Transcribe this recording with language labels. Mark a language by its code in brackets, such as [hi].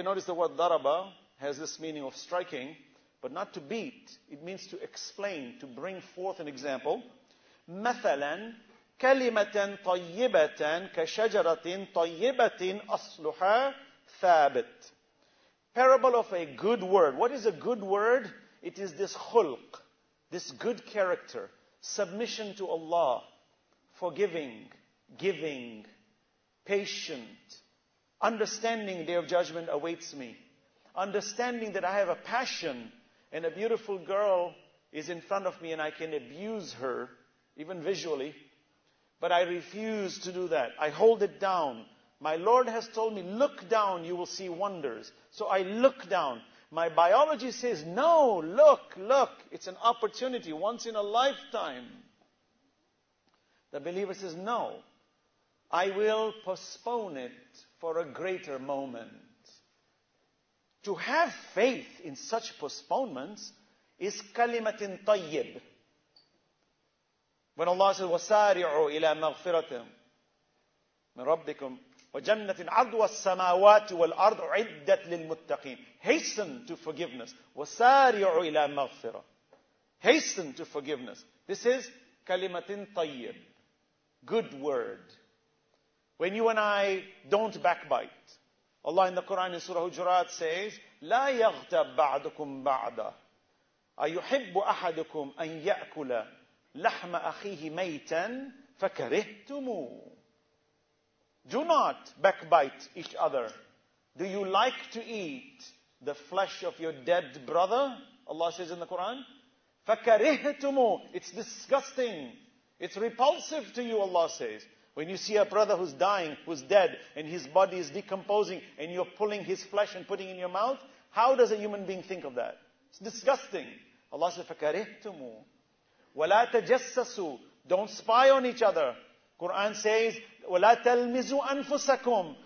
[en] You notice the word daraba has this meaning of striking, but not to beat. It means to explain, to bring forth an example. [ar] مثلاً كلمة طيبة كشجرة طيبة أصلها ثابت. [en] Parable of a good word. What is a good word? It is this khulq, this good character, submission to Allah, forgiving, giving, patient, understanding day of judgment awaits me, understanding that I have a passion and a beautiful girl is in front of me and I can abuse her, even visually, but I refuse to do that. I hold it down. My Lord has told me, look down, you will see wonders. So I look down. My biology says, no, look, look, it's an opportunity, once in a lifetime. The believer says, no. I will postpone it for a greater moment. To have faith in such postponements is kalimatin tayyib. When Allah says, [ar] وَسَارِعُوا إِلَى مَغْفِرَةٍ مِنْ رَبِّكُمْ وَجَنَّةٍ عَرْضُهَا السَّمَاوَاتُ وَالْأَرْضُ عِدَّةٌ لِلْمُتَّقِينَ. [en] Hasten to forgiveness. [ar] وَسَارِعُوا إِلَى مَغْفِرَةٍ. [en] Hasten to forgiveness. This is kalimatin tayyib. Good word. When you and I don't backbite, Allah in the Quran in Surah Hujurat says, [ar] لا يغتب بعضكم بعضا أيحب أحدكم أن يأكل لحم أخيه ميتا فكرهتموه. [en] Do not backbite each other. Do you like to eat the flesh of your dead brother? Allah says in the Quran, [ar] فكرهتموه. [en] It's disgusting. It's repulsive to you, Allah says. When you see a brother who's dying, who's dead, and his body is decomposing, and you're pulling his flesh and putting it in your mouth, how does a human being think of that? It's disgusting. Allah says, [ar] فَكَرِهْتُمُ وَلَا تَجَسَّسُوا. [en] Don't spy on each other. Quran says, [ar] وَلَا تَلْمِزُوا أَنفُسَكُمْ.